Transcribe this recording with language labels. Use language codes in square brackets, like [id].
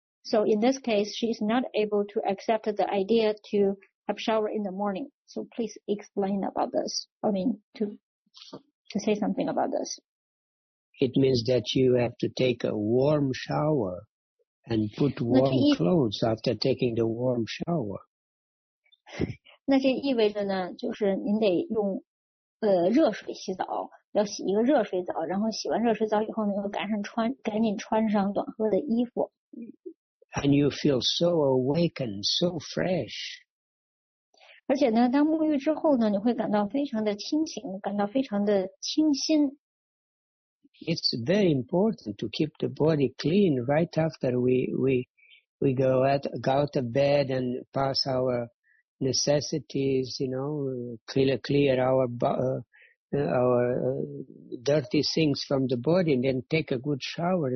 [en] So in this case, she is not able to accept the idea to have shower in the morning. So please explain about this. I mean, to say something about this. It means that you have to take a warm shower and put warm clothes after taking the warm shower. [zh] 那这意味着呢，就是您得用热水洗澡，要洗一个热水澡，然后洗完热水澡以后呢，要赶紧穿上暖和的衣服。 [en] And you feel so awakened, so fresh. [zh] 而且呢，当沐浴之后呢，你会感到非常的清醒，感到非常的清新。 [en] It's very important to keep the body clean right after we go out of bed and pass our necessities, you know, clear our dirty things from the body and then take a good shower.